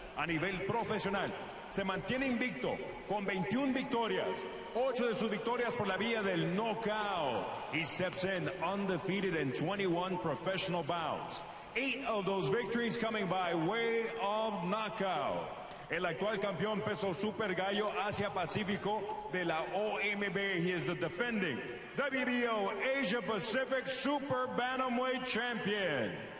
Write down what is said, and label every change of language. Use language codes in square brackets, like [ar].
[es] A nivel profesional, se mantiene invicto con 21 victorias, 8 de sus victorias por la vía del knockout. [en] He steps in undefeated in 21 professional bouts. 8 of those victories coming by way of knockout. [es] El actual campeón peso super gallo Asia Pacífico de la OMB. [en] He is the defending WBO Asia Pacific Super Bantamweight Champion.